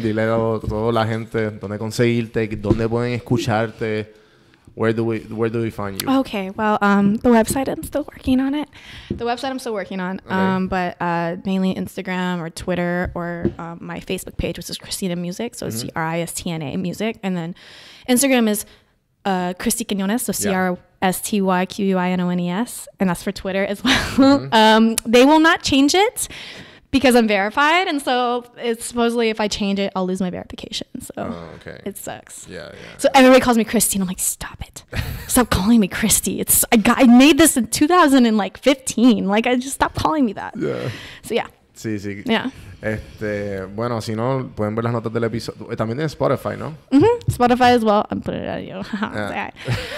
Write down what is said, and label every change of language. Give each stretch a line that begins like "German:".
Spanish: Dile a toda la gente dónde conseguirte, dónde pueden escucharte.
English: Where do we find you? Okay, well, the website, I'm still working on it. The website I'm still working on. Okay. But mainly Instagram or Twitter or my Facebook page, which is Cristina Music. So it's CRISTNA Music. And then Instagram is Cristi Quiñones, so CRISTYQUINONES. And that's for Twitter as well. Mm-hmm. They will not change it because I'm verified. And so it's supposedly if I change it, I'll lose my verification. So it sucks. Yeah. Everybody calls me Cristi. I'm like, stop it. Stop calling me Cristi. I made this in 2015. Like, I just stopped calling me that. Yeah. So, yeah.
Spanish: Sí, sí.
English: Yeah.
Spanish: Bueno, si no, pueden ver las notas del episodio. También tiene Spotify, ¿no? Mm-hmm.
English: Spotify as well. I'm putting it out of you.